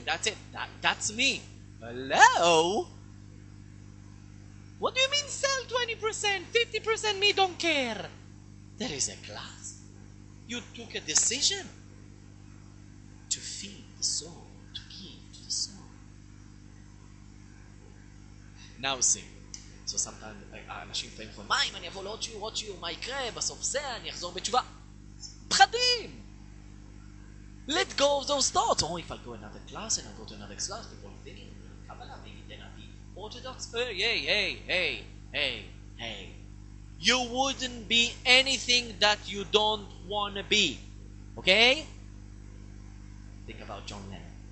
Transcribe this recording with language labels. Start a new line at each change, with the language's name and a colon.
English: That's it. That's me. Hello? What do you mean sell 20%, 50%? Me don't care. There is a class. You took a decision to feed the soul, to give to the soul. Now see. So sometimes
Hebrew: אנשים פעמים אומרים, מה אם אני אבוא לעוד שיעור, עוד שיעור, מה יקרה? בסוף זה אני אחזור בתשובה. פחדים!
English: Let go of those thoughts. Oh, if I go another class and I go to another class, people are thinking, Kabbalah, maybe then I'll be Orthodox. Hey. You wouldn't be anything that you don't want to be. Okay? Think about John Lennon.